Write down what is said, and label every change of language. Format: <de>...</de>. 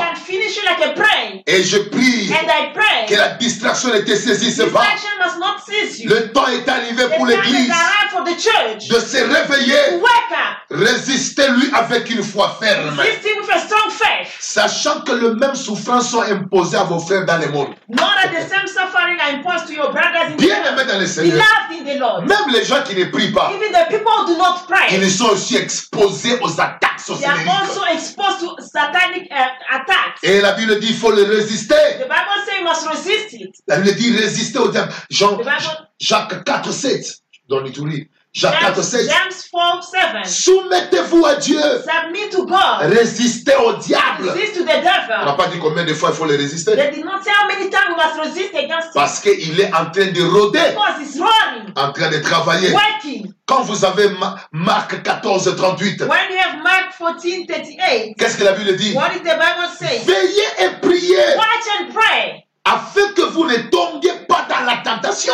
<en>He can finish you like a prey.</en> <fr>Et je prie.</fr> <en>And I pray.</en> <fr>Que la distraction ne te saisisse pas.</fr> <en>Distraction must not seize you.</en> <fr>Le temps est arrivé pour l'église.</fr> <en>For the church,</en> <fr>de se réveiller,</fr> <en>wake up,</en> <fr>résistez-lui avec une foi ferme,</fr> <en>resisting with a strong faith,</en> <fr>sachant que les mêmes souffrances sont imposées à vos frères dans le monde.</fr> <en>Not that the same suffering are imposed to your brothers in</en> <fr>bien</fr> <en>the</en> <fr>aimé dans le Seigneur,</fr> <en>beloved in the Lord.</en> <fr>Même les gens qui ne prient pas,</fr> <en>even the people who do not pray,</en> <fr>ils sont aussi exposés aux attaques sataniques.</fr> <en>They are also exposed to satanic attacks.</en> <fr>Et la Bible dit, il faut les résister.</fr> <en>The Bible says you must resist it.</en> <fr>La Bible dit, résister au diable. Jean, Jacques 4, 7.</fr> <en>Don't need to read.</en> <fr>Jacques 4, 7.</fr> <en>James 4, 7.</en> <fr>Soumettez-vous à Dieu.</fr> <en>Submit to God.</en> <fr>Résistez au diable.</fr> <en>Resist to the devil.</en> <fr>On n'a pas dit combien de fois il faut les résister.</fr> <en>They did not say how many times we must resist against him.</en> <fr>Parce qu'il est en train de rôder.</fr> <en>Because he's running.</en> <fr>En train de travailler.</fr> <en>Working.</en> <fr>Quand vous avez Marc 14, 38.</fr> <en>When you have Mark 14, 38.</en> <fr>Qu'est-ce que la Bible dit?</fr> <en>What did the Bible say?</en> <fr>Veillez et priez.</fr> <en>Watch and pray.</en> <fr>Afin que vous ne tombiez pas dans la tentation.</fr>